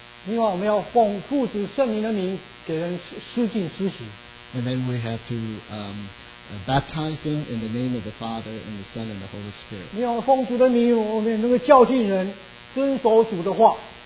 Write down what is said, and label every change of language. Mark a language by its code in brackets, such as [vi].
[zh] 另外，我们要奉父子圣灵的名给人施浸施洗。 [en] And then we have to baptize them in the name of the Father and the Son and the Holy Spirit. [zh] 要奉主的名，我们能够教训人遵守主的话。